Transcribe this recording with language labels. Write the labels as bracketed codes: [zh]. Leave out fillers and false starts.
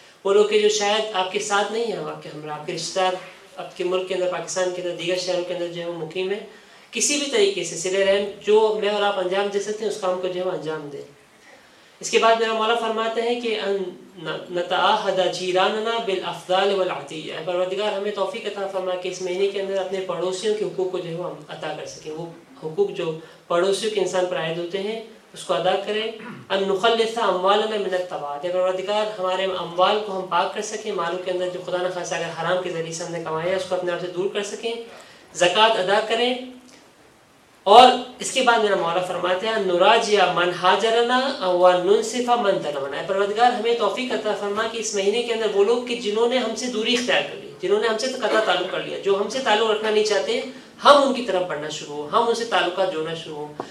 [ur] وہ لوگ کے جو شاید آپ کے ساتھ نہیں ہیں, آپ کے ہمراہ, آپ کے رشتہ دار آپ کے ملک کے اندر, پاکستان کے اندر, دیگر شہروں کے اندر جو ہے وہ مقیم ہیں, کسی بھی طریقے سے صلہ رحم جو میں اور آپ انجام دے سکتے ہیں اس کام کو جو ہے وہ انجام دیں. اس کے بعد میرا مولا فرماتے ہیں کہ [ar] نتعاہد جیراننا بالافضال والعطیہ. [ur] پروردگار ہمیں توفیق عطا فرما کہ اس مہینے کے اندر اپنے پڑوسیوں کے حقوق کو جو ہے ہم عطا کر سکیں, وہ حقوق جو پڑوسیوں کے انسان پر عائد ہوتے ہیں اس کو ادا کریں. [ar] ان نخلص اموالنا من التبعات. [ur] پروردگار ہمارے اموال کو ہم پاک کر سکیں, مالوں کے اندر جو خدا نہ خاصا اگر حرام کے ذریعے سے ہم نے کمایا اس کو اپنے آپ سے دور کر سکیں, زکوٰۃ ادا کریں. اور اس کے بعد میرا مولا فرماتے ہیں, [ar] نراجیہ من ہاجرنا و ننصف من ظلمنا. [ur] اے پروردگار ہمیں توفیق عطا فرما کہ اس مہینے کے اندر وہ لوگ کہ جنہوں نے ہم سے دوری اختیار کر لی, جنہوں نے ہم سے قطع تعلق کر لیا, جو ہم سے تعلق رکھنا نہیں چاہتے ہم ان کی طرف بڑھنا شروع ہوں, ہم ان سے تعلقات جوڑنا شروع ہوں.